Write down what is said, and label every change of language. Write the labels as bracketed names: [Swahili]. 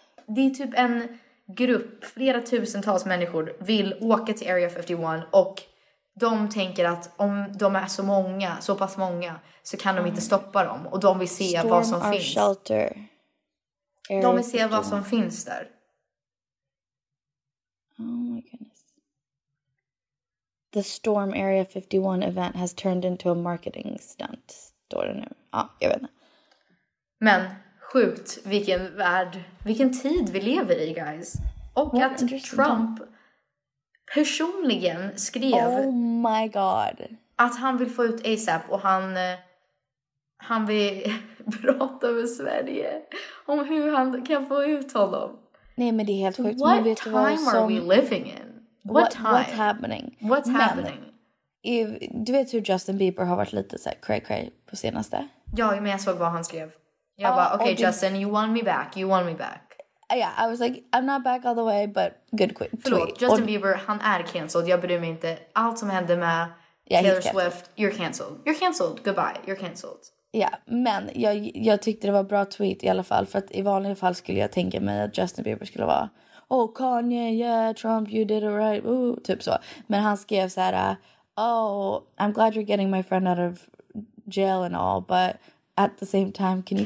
[Swedish] Det är typ en grupp, flera tusentals människor vill åka till Area 51 och de tänker att om de är så många, så pass många, så kan de inte stoppa dem. Och de vill se [English] storm [Swedish] vad som finns. [English] Shelter. [Swedish] De vill se vad som finns där. [English] Oh my goodness. The Storm Area 51 event has turned into a marketing stunt. [Swedish] Står det nu. Ja, jag vet inte. Men sjukt vilken värld, vilken tid vi lever i, guys. Och [English] what [Swedish] att Trump personligen skrev, [English] oh my god, [Swedish] att han vill få ut ASAP och han vill prata med Sverige om hur han kan få ut honom. Nej, men det är helt sjukt. [English] What time are we living in? What's happening? What's happening? [Swedish] Du vet hur Justin Bieber har varit lite så här [English] cray cray [Swedish] på senaste? Ja, men jag såg vad han skrev. Jag bara, okej, [English] okay, Justin, you want me back. You want me back. Yeah, I was like, I'm not back all the way, but good quick. [Swedish] Förlåt, Justin Bieber, han är cancelled. Jag bryr mig inte. Allt som hände med Taylor Swift, [English] you're cancelled. You're cancelled. [Swedish] Goodbye. You're cancelled. Ja, men jag tyckte det var bra tweet i alla fall. För att i vanliga fall skulle jag tänka mig att Justin Bieber skulle vara, [English] oh, Kanye, yeah, Trump, you did it right. [Swedish] Ooh, typ så. Men han skrev så här, [English] oh, I'm glad you're getting my friend out of jail and all, but at the same time, can you